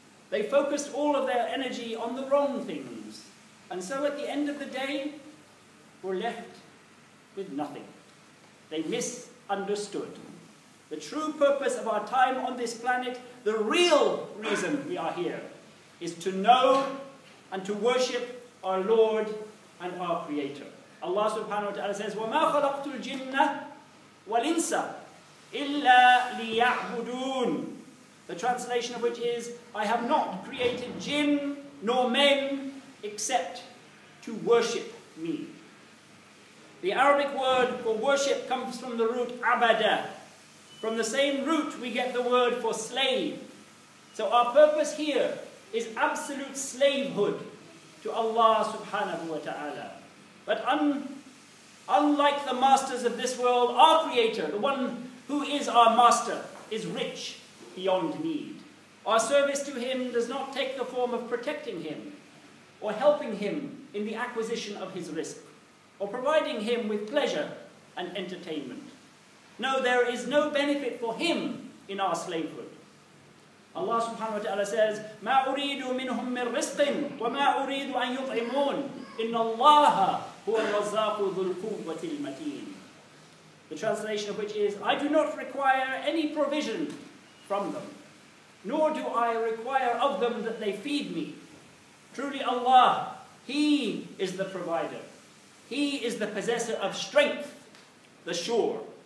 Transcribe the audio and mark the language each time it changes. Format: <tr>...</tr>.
<en>They focus all of their energy on the wrong things, and so at the end of the day, were left with nothing. They misunderstood the true purpose of our time on this planet, the real reason we are here, is to know and to worship our Lord and our Creator. Allah subhanahu wa ta'ala says,</en> <ar>وَمَا خَلَقْتُ الْجِنَّةِ وَالْإِنسَ إِلَّا لِيَعْبُدُونَ.</ar> <en>The translation of which is, I have not created jinn nor men except to worship me. The Arabic word for worship comes from the root abada. From the same root we get the word for slave. So our purpose here is absolute slavehood to Allah subhanahu wa ta'ala. But unlike the masters of this world, our Creator, the one who is our master, is rich beyond need. Our service to him does not take the form of protecting him or helping him in the acquisition of his rizq or providing him with pleasure and entertainment. No, there is no benefit for him in our slavehood. Allah subhanahu wa ta'ala says,</en> <ar>مَا أُرِيدُ مِنْهُمْ مِنْ رِزْقٍ وَمَا أُرِيدُ أَنْ يُطْعِمُونَ إِنَّ اللَّهَ هُوَ الرَّزَّاقُ ذُو الْقُوَّةِ الْمَتِينَ.</ar> <en>The translation of which is, I do not require any provision from them, nor do I require of them that they feed me. Truly Allah, He is the provider. He is the possessor of strength, the sure.</en>